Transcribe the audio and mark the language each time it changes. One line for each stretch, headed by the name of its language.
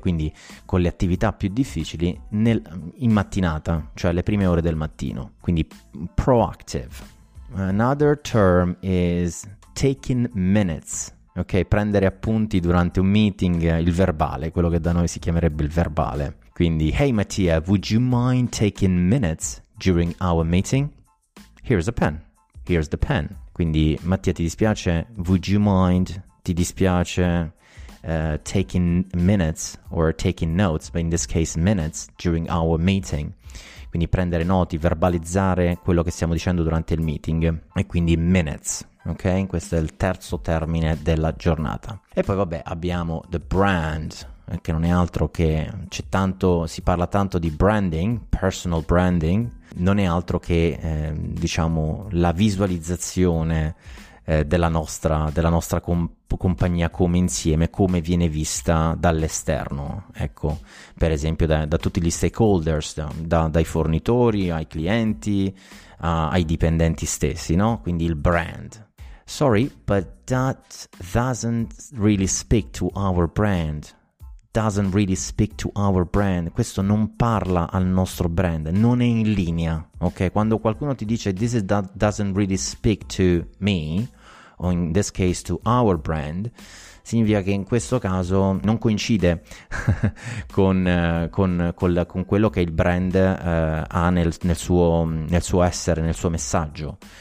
Italian: Quindi con le attività più difficili in mattinata, cioè le prime ore del mattino.
English: Quindi proactive. Another term is taking minutes.
Italian: Ok, prendere appunti durante un meeting, il verbale, quello che da noi si chiamerebbe il verbale.
English: Quindi, hey Mattia, would you mind taking minutes during our meeting? Here's a pen. Here's the pen.
Italian: Quindi, Mattia, ti dispiace?
English: Would you mind,
Italian: ti dispiace,
English: taking minutes or taking notes, but in this case minutes, during our meeting?
Italian: Quindi prendere noti, verbalizzare quello che stiamo dicendo durante il meeting. E quindi minutes, ok? Questo è il terzo termine della giornata. E poi, vabbè, abbiamo the brand, che non è altro che si parla tanto di branding, personal branding, non è altro che diciamo la visualizzazione della nostra compagnia come insieme, come viene vista dall'esterno, ecco, per esempio da tutti gli stakeholders, dai fornitori ai clienti ai dipendenti stessi, no? Quindi il brand.
English: Sorry, but that doesn't really speak to our brand. Doesn't really speak to our brand.
Italian: Questo non parla al nostro brand, non è in linea, ok? Quando qualcuno ti dice
English: this is that doesn't really speak to me,
Italian: o
English: in this case to our brand,
Italian: significa che in questo caso non coincide con quello che il brand ha nel suo essere, nel suo messaggio.